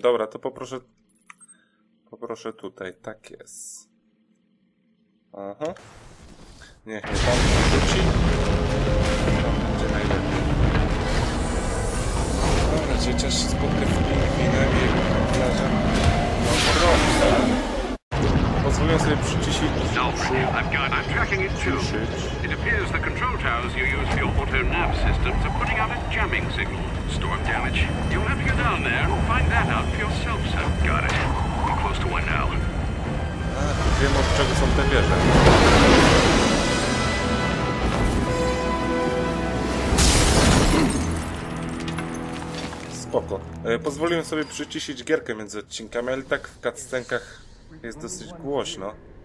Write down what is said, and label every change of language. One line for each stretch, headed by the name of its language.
Polish: Dobra, to poproszę. Poproszę tutaj. Tak jest. Aha. Niech mnie pan wróci. Tam będzie najlepiej. Dobra, chociaż się spotkę z pingwinami i plażę. No proszę. Pozwolę sobie przyciszyć. Dobrze,
English: I've got I'm tracking it too. It appears the control towers you use for your auto nav systems are putting out a jamming signal. Storm damage. You'll have to go down there and find that out for yourself, sir. Got it. We're close to one now.
Polish: Wiem, od czego są te wieże. Spoko. Pozwoliłem sobie przyciszyć gierkę między odcinkami, ale tak w cutscenkach jest dosyć głośno.